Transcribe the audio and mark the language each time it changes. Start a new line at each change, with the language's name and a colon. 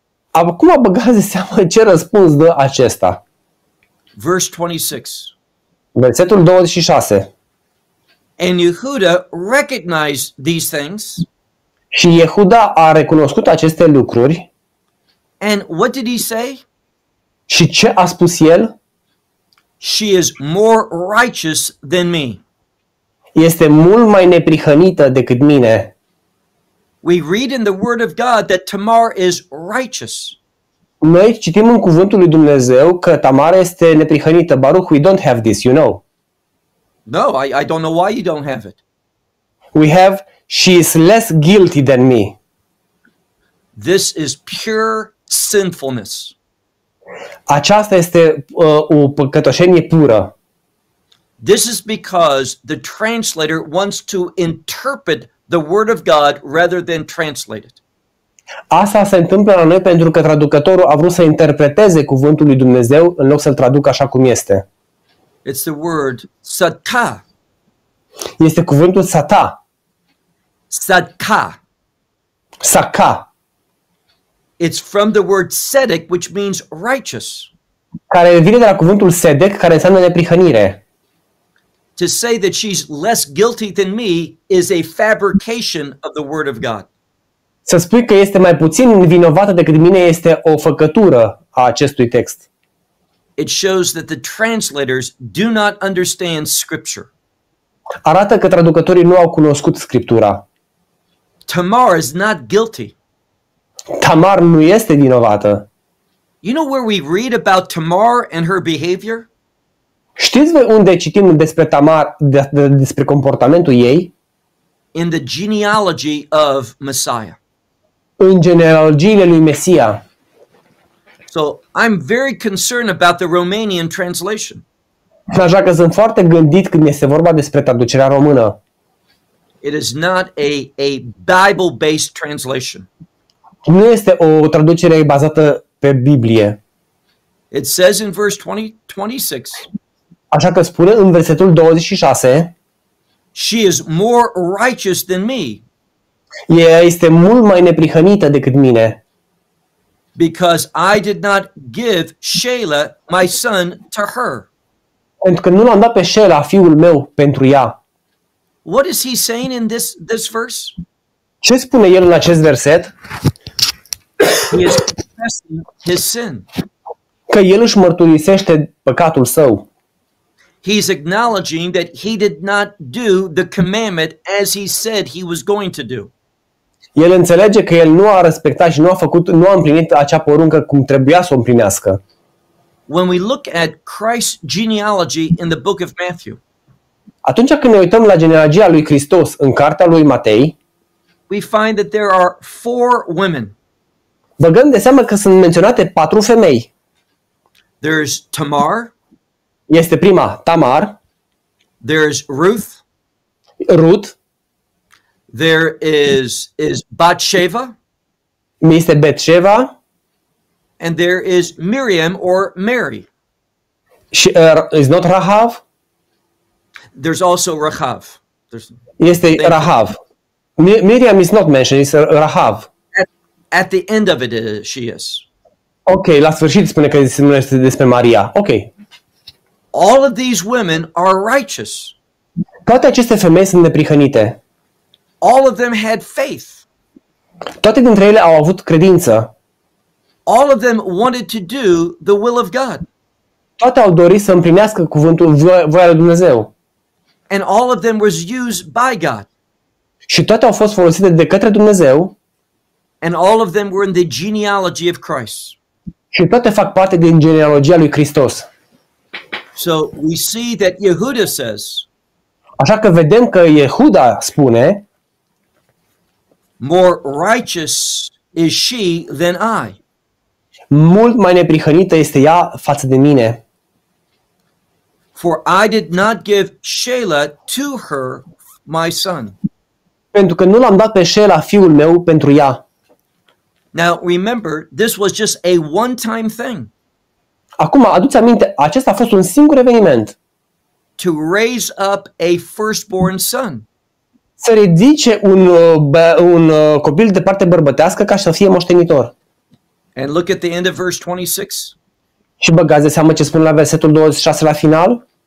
Romanian: Acum băgați de seamă ce răspuns dă acesta.
English: Verse 26.
Romanian: Versetul 26.
English: And Yehuda recognized these things.
Romanian: Și Yehuda a recunoscut aceste lucruri.
English: And what did he say?
Romanian: Și ce a spus el?
English: She is more righteous than me.
Romanian: Este mult mai neprihănită decât mine.
English: We read in the word of God that Tamar is righteous.
Romanian: Noi citim în cuvântul lui Dumnezeu că Tamar este neprihănită.
English: Baruch, we don't have this, you know. No, I don't know why you don't have it. We have, she is less guilty than me. This is pure sinfulness.
Romanian: Aceasta este o păcătoșenie pură.
English: This is because the translator wants to interpret the word of God rather than translate it.
Romanian: Asta se întâmplă la noi pentru că traducătorul a vrut să interpreteze cuvântul lui Dumnezeu în loc să-l traducă așa cum este.
English: It's the word sata.
Romanian: Este cuvântul sata. Sata. Saka.
English: It's from the word sedek, which means righteous.
Romanian: Care vine de la cuvântul sedek, care înseamnă neprihănire.
English: To say that she's less guilty than me is a fabrication of the word of God.
Romanian: Să spui că este mai puțin vinovată decât mine este o făcătură a acestui text.
English: It shows that the translators do not understand scripture.
Romanian: Arată că traducătorii nu au cunoscut scriptura.
English: Tamar is not guilty.
Romanian: Tamar nu este vinovată.
English: You know where we read about Tamar and her behavior?
Romanian: Știți unde citim despre Tamar, despre comportamentul ei?
English: In the genealogy of Messiah.
Romanian: În genealogiile lui Mesia.
English: So, I'm very concerned about the Romanian translation.
Romanian: Așa că sunt foarte gândit când este vorba despre traducerea română.
English: It is not a Bible-based translation.
Romanian: Nu este o traducere bazată pe Biblie.
English: It says in verse 26.
Romanian: Așa că spune în versetul 26.
English: She is more righteous than me.
Romanian: Ea este mult mai neprihănită decât mine.
English: Because I did not give Shelah my son to her.
Romanian: Pentru că nu l-am dat pe Shelah, fiul meu, pentru ea.
English: What is he saying in this verse?
Romanian: Ce spune el în acest verset?
English: He is confessing his sin.
Romanian: Că el își mărturisește păcatul său.
English: He's acknowledging that he did not do the commandment as he said he was going to do.
Romanian: El înțelege că el nu a respectat și nu a împlinit acea poruncă cum trebuia să o împlinească.
English: When we look at Christ's genealogy in the book of Matthew.
Romanian: Atunci când ne uităm la genealogia lui Hristos în cartea lui Matei,
English: we find that there are four women.
Romanian: Băgând de seamă că sunt menționate patru femei.
English: There's Tamar.
Romanian: Este prima, Tamar.
English: There's Ruth. Ruth. There is Bathsheba.
Romanian: Este Bathsheba.
English: And there is Miriam or Mary. Și is not Rahav. There's also Rahav.
Romanian: Este Rahav.
English: Miriam is not mentioned, it's Rahav. At the end of it, she is.
Romanian: Ok, la sfârșit spune că se numește despre Maria. Ok.
English: All of these women are righteous.
Romanian: Toate aceste femei sunt neprihănite.
English: All of them had faith.
Romanian: Toate dintre ele au avut credință.
English: All of them wanted to do the will of God.
Romanian: Toate au dorit să împlinească cuvântul voia lui Dumnezeu.
English: And all of them was used by God.
Romanian: Și toate au fost folosite de către Dumnezeu.
English: And all of them were in the genealogy of Christ.
Romanian: Și toate fac parte din genealogia lui Hristos.
English: So we see that Yehuda says.
Romanian: Așa că vedem că Yehuda spune.
English: More righteous is she than I.
Romanian: Mult mai neprihănită este ea față de mine.
English: For I did not give Shelah to her, my son.
Romanian: Pentru că nu l-am dat pe Shelah, fiul meu, pentru ea.
English: Now remember, this was just a one-time thing.
Romanian: Acum aduți aminte, acesta a fost un singur eveniment.
English: To raise up a firstborn son.
Romanian: Să ridice un copil de parte bărbătească ca să fie moștenitor.
English: And look at the end of verse 26.
Romanian: Și băgați de seamă ce spune la versetul 26 la final.